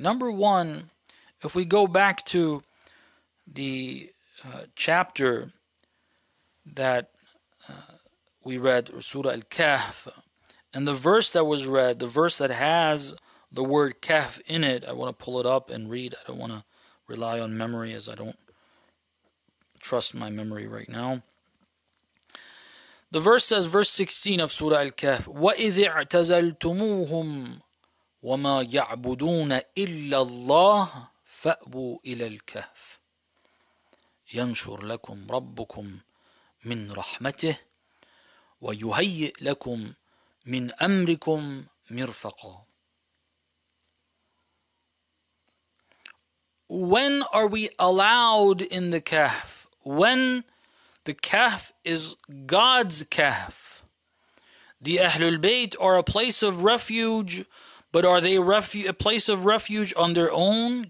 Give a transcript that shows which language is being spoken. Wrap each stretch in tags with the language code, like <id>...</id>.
<en>Number one, if we go back to the chapter that we read, Surah Al-Kahf, and the verse that was read, the verse that has the word Kahf in it, I want to pull it up and read. I don't want to rely on memory, as I don't trust my memory right now. The verse says, verse 16 of Surah Al-Kahf,</en> <ar>وَإِذِ اَعْتَزَلْتُمُوهُمْ وَمَا يَعْبُدُونَ إِلَّا اللَّهِ فَأْبُوا إِلَى الْكَهْفِ يَنْشُرْ لَكُمْ رَبُّكُمْ مِنْ رَحْمَتِهِ وَيُهَيِّئْ لَكُمْ مِنْ أَمْرِكُمْ مِرْفَقًا.</ar> <en>When are we allowed in the Kahf? When the Kahf is God's Kahf, the Ahlul Bayt are a place of refuge, but are they a place of refuge on their own?</en>